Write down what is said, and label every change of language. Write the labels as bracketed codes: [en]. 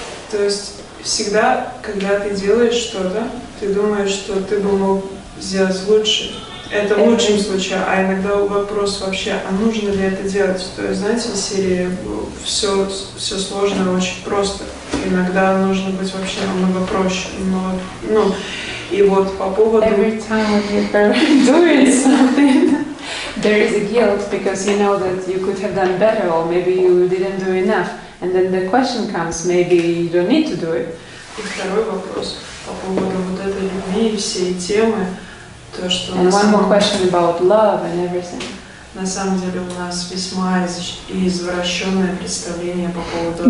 [ru] То есть, всегда, когда ты делаешь что-то, ты думаешь, что ты бы мог сделать лучше. Это в лучшем случае, а иногда вопрос вообще, а нужно ли это делать? То есть, знаете, в серии все сложно, очень просто. иногда нужно быть вообще намного проще, но, ну, и вот по поводу... [en] Every time you're doing something, there is a guilt because you know that you could have done better or maybe you didn't do enough. And then the question comes, maybe you don't need to do it. [ru] И второй вопрос по поводу вот этой любви и всей темы, то, что... [en] And one more question about love and everything. [ru] На самом деле у нас весьма извращенное представление по поводу...